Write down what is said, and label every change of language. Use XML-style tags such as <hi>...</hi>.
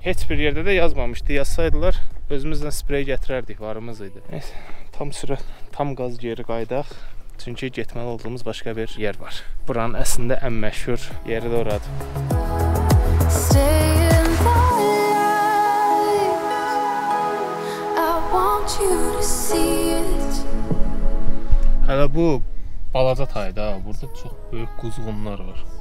<az>Heç bir yerdə də yazmamışdı. Yazsaydılar, özümüzlə sprey gətirərdik, varımız idi. Neyse, tam sürət, tam qaz geri qayıdaq. Çünki getməli olduğumuz başqa bir yer var. Buranın əslində ən məşhur yeri də oradır.</az> <en>Stay in my life. I want you to see it.</en> <az>Hələ bu balaca tayda, burada çox böyük quzğunlar var.</az>